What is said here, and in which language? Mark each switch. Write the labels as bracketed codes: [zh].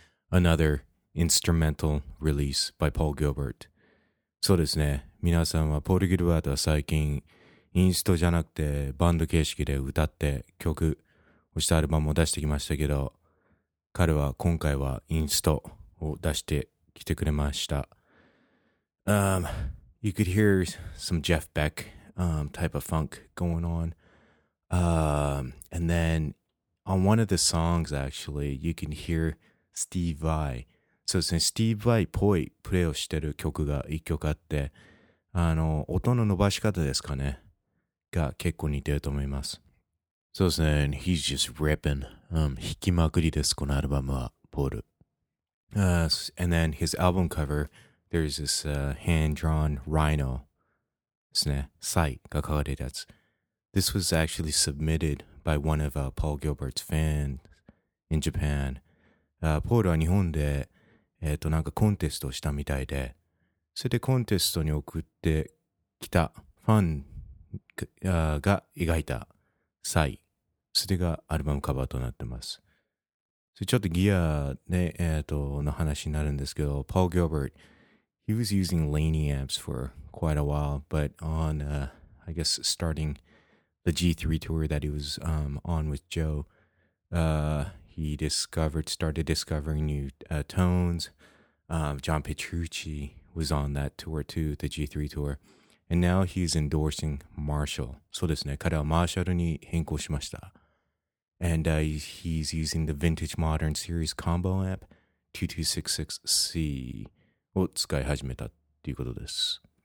[en] Another instrumental release by Paul Gilbert. [ja] そうですね。皆さんはポール・ギルバートは最近インストじゃなくてバンド形式で歌って曲をしたアルバムを出してきましたけど、彼は今回はインストを出してきてくれました。 [en] You could hear some Jeff Beck, type of funk going on. And then on one of the songs, actually, you can hear Steve Vai. So since [ja] Steve Vai っぽいプレイをしてる曲が一曲あって、音の伸ばし方ですかね、が結構似てると思います。そうですね、 [en] and he's just ripping. [ja] 弾きまくりです、このアルバムは、ポール。 [en] And then his album cover,There's this hand-drawn rhino, sight, [ja] が書かれたやつ。 [en] This was actually submitted by one of Paul Gilbert's fans in Japan. [ja] ポールは日本で、なんかコンテストをしたみたいで、それでコンテストに送ってきたファンが描いたサイ。それがアルバムカバーとなってます。それちょっとギアね、の話になるんですけど、 [en] Paul Gilbert、He was using Laney amps for quite a while, but on, I guess, starting the G3 tour that he was on with Joe, he started discovering new tones. John Petrucci was on that tour too, the G3 tour. And now he's endorsing Marshall. [ja] そうですね。彼はマーシャルに変更しました。 [en] And he's using the Vintage Modern Series combo amp, 2266C. [ja] を使い始めたっていうことです。